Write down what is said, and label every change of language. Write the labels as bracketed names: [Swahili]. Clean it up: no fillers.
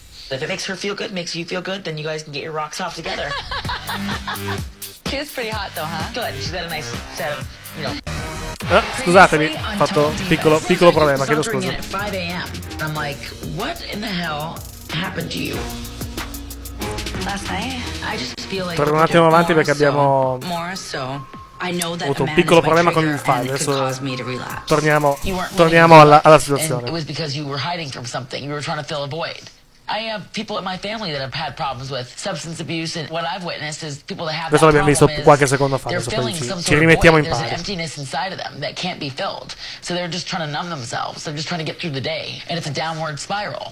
[English] If it makes her feel good, makes you feel good, then you guys can get your rocks off together. She is pretty hot, though, huh? Good. She's got a nice set of, you know... [Italian] Scusatemi, ho fatto piccolo problema, chiedo scusa. [English] I'm like, what in the hell happened to you? Last night, I just feel like... [Italian] Torno un attimo avanti perché abbiamo... ho avuto un piccolo problema con il file, adesso torniamo alla situazione. [English] It was because you were hiding from something, you were trying to fill a void. I have people in my family that have had problems with substance abuse, and what I've witnessed is people that have that problem is they're filling some sort of void. There's an emptiness inside of them that can't be filled, so they're just trying to numb themselves, they're just trying to get through the day, and it's a downward spiral.